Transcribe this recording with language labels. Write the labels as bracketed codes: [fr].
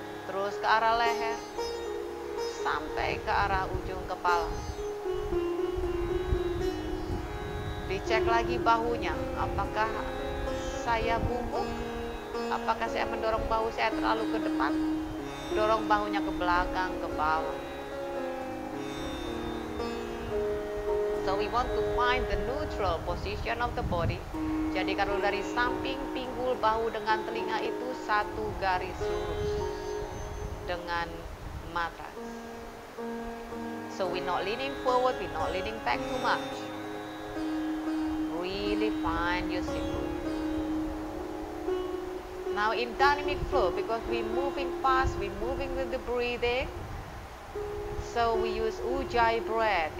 [id] Terus ke arah leher. Sampai ke arah ujung kepala. Dicek lagi bahunya, apakah saya bungkuk, apakah saya mendorong bahu saya terlalu ke depan, dorong bahunya ke belakang, ke bawah. [en] So we want to find the neutral position of the body. [id] Jadi kalau dari samping pinggul bahu dengan telinga itu satu garis lurus dengan matras. [en] So we not leaning forward, we not leaning back too much. Really find your sit bone. Now in dynamic flow, because we moving fast, we moving with the breathing, so we use ujjayi breath.